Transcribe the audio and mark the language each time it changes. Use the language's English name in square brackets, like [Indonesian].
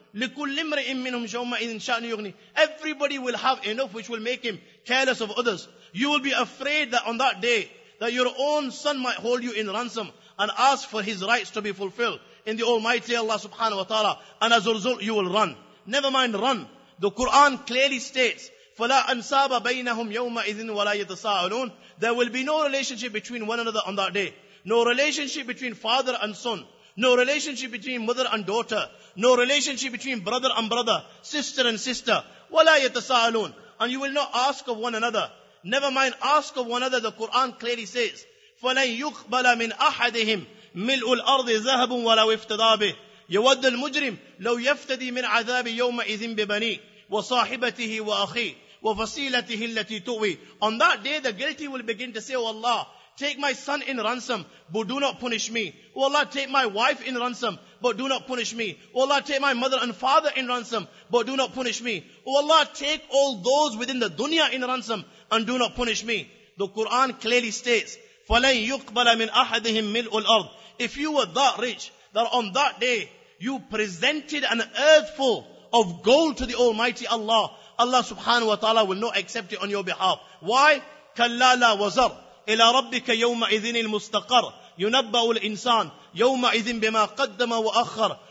[Arabic] لِكُلِّ امْرِئٍ مِّنْهُمْ يَوْمَئِذٍ شَأْنٌ يُغْنِي. [English] Everybody will have enough which will make him careless of others. You will be afraid that on that day, that your own son might hold you in ransom and ask for his rights to be fulfilled in the Almighty Allah subhanahu wa ta'ala. And as a result, you will run. Never mind run. The Quran clearly states, [Arabic] فَلَا أَنْسَابَ بَيْنَهُمْ يَوْمَئِذٍ وَلَا يَتَسَاءَلُونَ. [English] There will be no relationship between one another on that day. No relationship between father and son. No relationship between mother and daughter. No relationship between brother and brother, sister and sister. [Arabic] وَلَا يَتَسَاءَلُونَ. [English] And you will not ask of one another. Never mind ask of one another. The Quran clearly says, [Arabic] فَلَنْ يُقْبَلَ مِنْ أَحَدِهِمْ مِلْءُ الْأَرْضِ ذَهَبٌ وَلَوْ افْتَدَى بِهِ يَوَدُّ الْمُجْرِمُ لَوْ يَفْتَدِي مِنْ عَذَابِ يَوْمَئِذٍ بِبَنِيهِ وَصَاحِبَتِهِ وَأَخِيهِ وَفَصِيلَتِهِ الَّتِي تُؤْوِيهِ. [English] On that day, the guilty will begin to say, oh Allah, take my son in ransom, but do not punish me. Oh Allah, take my wife in ransom, but do not punish me. Oh Allah, take my mother and father in ransom, but do not punish me. Oh Allah, take all those within the dunya in ransom, and do not punish me. The Quran clearly states, [Arabic] فَلَنْ يُقْبَلَ مِنْ أَحَدِهِمْ مِلْءُ الْأَرْضِ. [English] If you were that rich, that on that day, you presented an earthful of gold to the Almighty Allah, Allah subhanahu wa ta'ala will not accept it on your behalf. Why? [Arabic] كَلَّا لَا وَزَرْ إِلَىٰ رَبِّكَ يَوْمَئِذٍ الْمُسْتَقَرْ يُنَبَّأُ الْإِنسَانِ يَوْمَئِذٍ بِمَا قَدَّمَ وَأَخَّرْ.